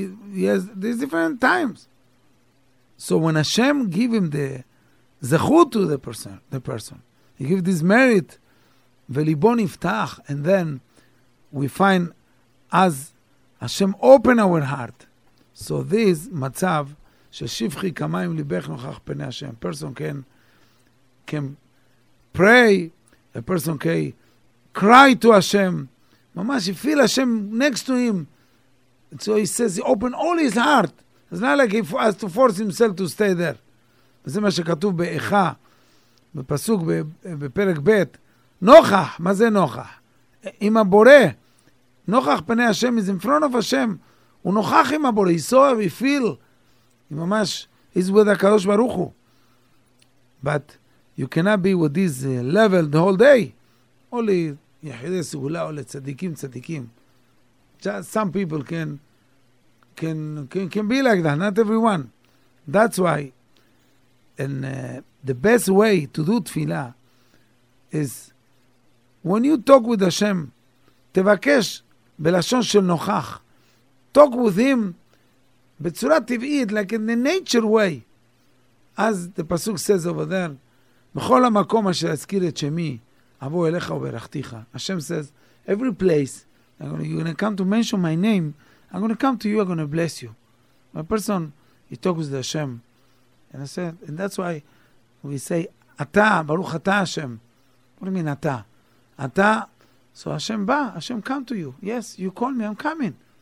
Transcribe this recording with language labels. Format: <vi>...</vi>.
<en>Yes, there's different times. So when Hashem give him the zechut to the person, he give this merit, velibon iftach, and then we find as Hashem open our heart. So this</en> <he>matzav ששפחי כמיים ליבך נוכח פני Hashem.</he> <en>Person can pray. A person can cry to Hashem. Mamash, he feel Hashem next to him. And so he says he open all his heart. It's not like he has to force himself to stay there.</en> <he>וזה מה שכתוב באיכה, בפסוק בפרק ב' נוכח, מה זה נוכח? עם הבורא. נוכח פני השם,</he> <en>is in front of</en> <he>השם. הוא נוכח עם הבורא,</he> <en>he saw, he feel. He ממש, he's with הקדוש ברוך הוא. But you cannot be with this level the whole day. Only יחידי סגולה, only צדיקים. Just some people can be like that, not everyone. That's why, and the best way to do תפילה is when you talk with השם,</en> <he>תבקש, בלשון של נוכח.</he> <en>Talk with him</en> <he>בצורה טבעית,</he> <en>like in the nature way. As the pasuk says over there,</en> <he>בכל המקום אשר אזכיר את שמי, אבוא אליך וברכתיך.</he> <en>Hashem says, every place, you're going to come to mention my name, I'm going to come to you, I'm going to bless you. My person, he talks with Hashem. And I said, and that's why we say, אתה, ברוך אתה Hashem. What do you mean, אתה? אתה, So Hashem ba, Hashem come to you. Yes, you call me, I'm coming.</en>